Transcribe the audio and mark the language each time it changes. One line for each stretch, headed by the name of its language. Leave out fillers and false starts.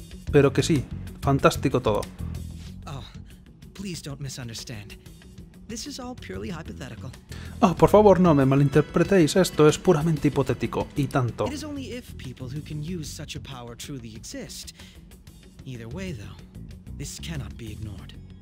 Spanish: Pero que sí, fantástico todo.
English: Oh, please don't misunderstand. This is all purely hypothetical.
Spanish: Oh, por favor, no me malinterpretéis, esto es puramente hipotético, y tanto.
English: It is only if people who can use such a power truly exist. Either way, though, this cannot be ignored.